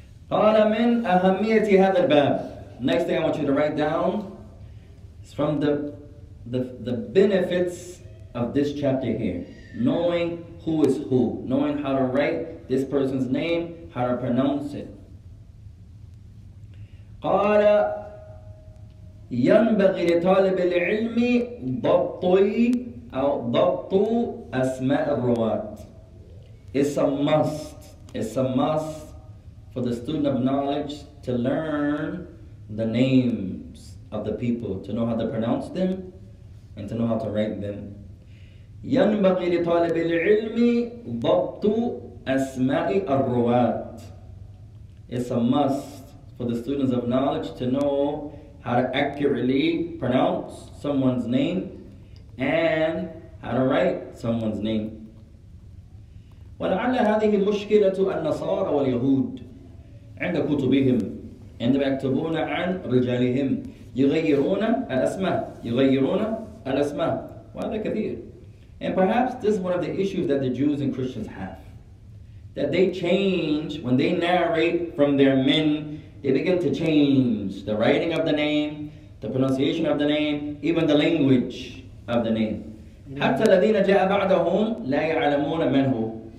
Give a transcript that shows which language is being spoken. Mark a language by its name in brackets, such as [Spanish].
[Arabic] قَالَ مِنْ أَهَمِّيَةِ هَذَا الْبَابِ [English] Next thing I want you to write down is from the benefits of this chapter here. Knowing who is who. Knowing how to write this person's name, how to pronounce it. [Arabic] قَالَ ينبغي لطالب العلم ضبط أو ضبط أسماء الرواة. [English] It's a must It's a must for the student of knowledge to learn the names of the people, to know how to pronounce them, and to know how to write them. [Arabic] يَنْبَغِي لِطَالِبِ الْعِلْمِ ضَبْطُ أَسْمَاءِ الرُّوَاتِ [English] It's a must for the students of knowledge to know how to accurately pronounce someone's name and how to write someone's name. [Arabic] وَلَعَلَّ هَذِهِ مُشْكِلَةُ النَّصَارَ وَالْيَهُودِ عِنْدَ كُتُبِهِمْ [English] And they [Arabic] يكتبون عن رجالهم يغيرون الأسماء يغيرون الأسماء وهذا كثير [English] And perhaps this is one of the issues that the Jews and Christians have. That they change, when they narrate from their men, they begin to change the writing of the name, the pronunciation of the name, even the language of the name. [Arabic] حتى الذين جاء بعدهم لا يعلمون من هو.